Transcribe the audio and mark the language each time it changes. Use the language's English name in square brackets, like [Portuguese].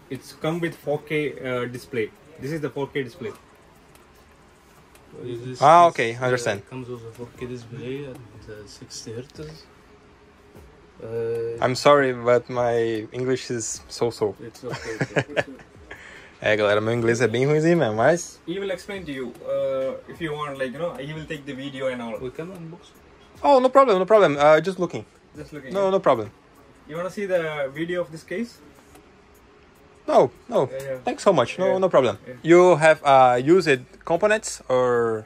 [English] It's come with 4K display. This is the 4K display. Ah, case, okay, I understand. Comes with a 4K display at 60 Hz. I'm sorry, but my English is so-so. It's okay. [Portuguese] É, galera, meu inglês é bem ruimzinho mesmo, mas... [English] He will explain to you. If you want, like, you know, he will take the video and all. We can unbox. Oh, no problem, no problem. Just looking. Just looking. No, yeah. No problem. You want to see the video of this case? No, no. Yeah, yeah. Thanks so much. No, yeah. No problem. Yeah. You have used components or